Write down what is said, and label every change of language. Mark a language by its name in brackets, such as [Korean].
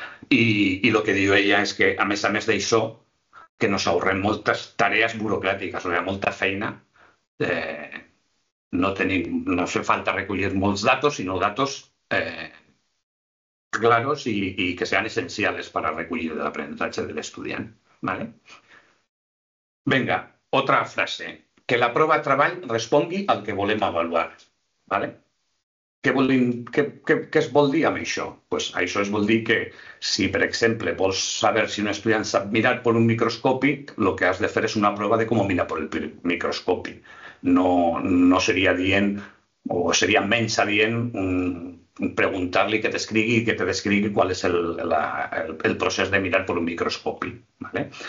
[Catalan] I el que diu ella és que, a més d'això, que ens ahorrem moltes tarees burocràtiques, o sigui, molta feina, no fa falta recollir molts datos, sinó datos [Spanish] claros y que sean esenciales para [Catalan] recollir [Spanish] el aprendizaje del estudiante, [Catalan] ¿vale? [Spanish] Venga, otra frase. Que la prueba de trabajo responga al que [Catalan] volem avaluar, [Spanish] ¿vale? [Catalan] Què es vol dir amb això? Pues això es vol dir que si, per exemple, vols saber si un estudiant sap mirar per un microscopi, el que has de fer és una prova de com mirar per el microscopi. No seria dient, o seria menys adient, preguntar-li que t'escrigui i que te descrigui qual és el procés de mirar per un microscopi. ¿Vale?